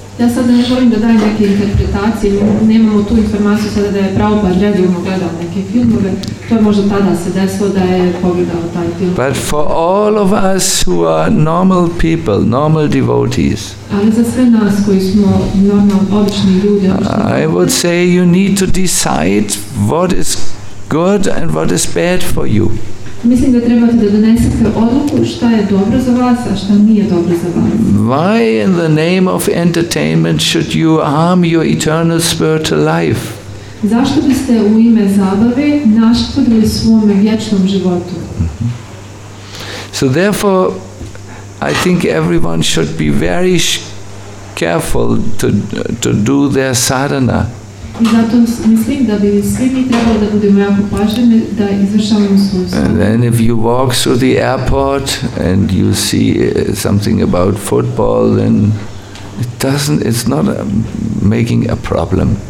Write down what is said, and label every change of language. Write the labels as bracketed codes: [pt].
[bs] Ja sada ne želim da dajem neke interpretacije, nemamo tu informaciju sada da je Prabhupada redovno gledao neke filmove, to je možda tada se desilo da je pogledao taj film. [en] But for all of us who are normal people, normal devotees, [bs] ali za sve nas koji smo normal, obični ljudi, [en] I would say you need to decide what is good and what is bad for you. [bs] Mislim da trebate da donesete odluku šta je dobro za vas, a šta nije dobro za vas. [en] Why in the name of entertainment should you harm your eternal spiritual life? [bs] Zašto biste u ime zabave naškodili svome vječnom životu? [en] So therefore, I think everyone should be very careful to do their sadhana. [bs] I zato mislim da bi svi mi trebali da budemo jako pažljivi da izvršavamo svoju sadhanu. [en] And then if you walk through the airport and you see something about football, then it's not making a problem.